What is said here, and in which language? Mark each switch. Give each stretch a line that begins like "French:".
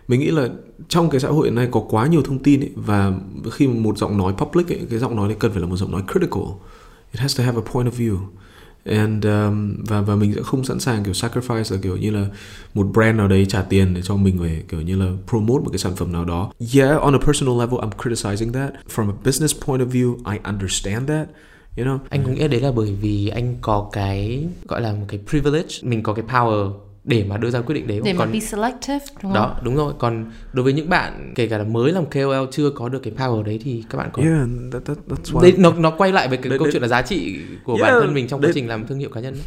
Vietnamese: Mình nghĩ là trong cái xã hội này có quá nhiều thông tin ấy, và khi một giọng nói public ấy, cái giọng nói này cần phải là một giọng nói critical.
English: It has to have a point of view. And
Vietnamese: và mình sẽ không sẵn sàng kiểu sacrifice là kiểu như là một brand nào đấy trả tiền để cho mình về kiểu như là promote một cái sản phẩm nào đó.
English: Yeah, on a personal level I'm criticizing that. From a business point of view I understand that, you know.
Vietnamese: Anh cũng nghĩ đấy là bởi vì anh có cái gọi là một cái privilege, mình có cái power để mà đưa ra quyết định đấy. Để còn... mà
English: be selective,
Vietnamese: đúng không? Đó, đúng rồi. Còn đối với những bạn kể cả là mới làm KOL chưa có được cái power đấy thì các bạn có...
English: Yeah, that's why...
Vietnamese: Đấy, nó quay lại với cái câu chuyện là giá trị của bản thân mình trong quá trình làm thương hiệu cá nhân.